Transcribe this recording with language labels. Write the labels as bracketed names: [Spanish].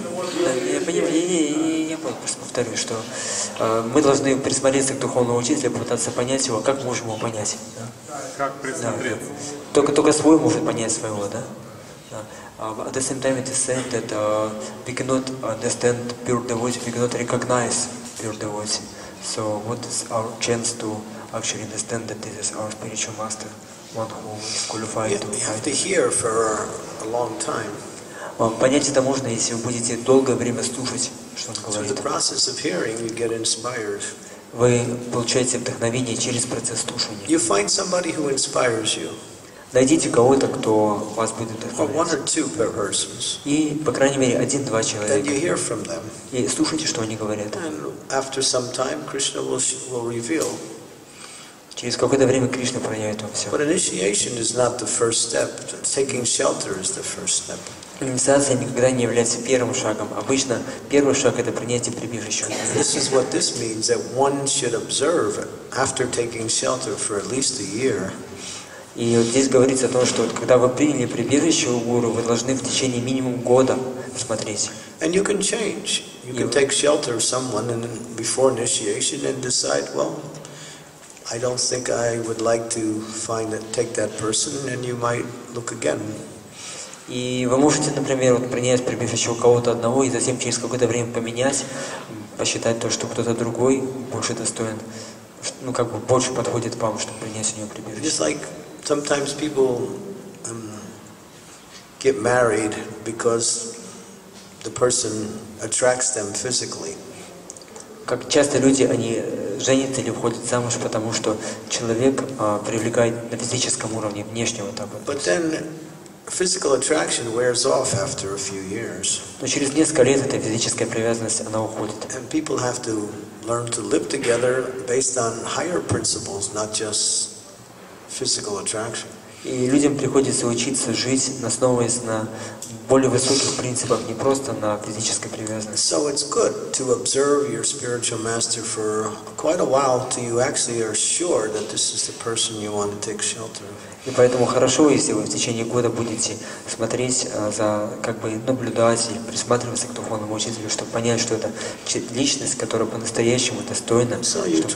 [Russian] Я просто повторю, что мы должны присмотреться к духовному учителю, попытаться понять его, как можем его понять. Да? Как присмотреться? Да. Только свой может понять своего, да? [English] At the same time, it is said that we cannot understand pure devotee, we cannot recognize pure devotee. So what is our chance to actually understand that this is our spiritual master, one who is qualified to fight? You have to hear for a long time. [Russian] Понять это можно, если вы будете долгое время слушать, что он говорит. [English] Through the process of hearing, you get inspired. [Russian] Вы получаете вдохновение через процесс слушания. [English] You find somebody who inspires you. [Russian] Найдите кого-то, кто вас будет вдохновлять. [English] Or one or two per persons. [Russian] И, по крайней мере, один-два человека. [English] Then you hear from them. [Russian] И слушайте, что они говорят. [English] And after some time, Krishna will reveal. [Russian] Через какое-то время Кришна проявит вам все. [English] But initiation is not the first step. Taking shelter is the first step. [Russian] Инициация никогда не является первым шагом. Обычно первый шаг — это принятие прибежища. [English] This is what this means, that one should observe after taking shelter for at least a year. [Russian] И вот здесь говорится о том, что вот когда вы приняли прибежище у гуру, вы должны в течение минимум года посмотреть. [English] And you can change. You can take shelter of someone and before initiation and decide, well, I don't think I would like to find that, take that person, and you might look again. [Russian] И вы можете, например, вот принять прибив еще кого-то одного и затем через какое-то время поменять, посчитать то, что кто-то другой больше достоин, ну как бы больше подходит вам, чтобы принять у него прибивку. [English] Just like sometimes people get married because the person attracts them physically. [Russian] Как часто люди, они женятся или выходят замуж, потому что человек привлекает на физическом уровне, внешне вот так вот. [English] But then physical attraction wears off after a few years. [Russian] Но через несколько лет эта физическая привязанность, она уходит. [English] And people have to learn to live together based on higher principles, not just physical attraction. [Russian] И людям приходится учиться жить, основываясь на более высоких принципах, не просто на физической привязанности. [English] So it's good to observe your spiritual master for quite a while till you actually are sure that this is the person you want to take shelter of. [Russian] И поэтому хорошо, если вы в течение года будете смотреть за, как бы, наблюдать, присматриваться к духовному учителю, чтобы понять, что это личность, которая по-настоящему достойна, чтобы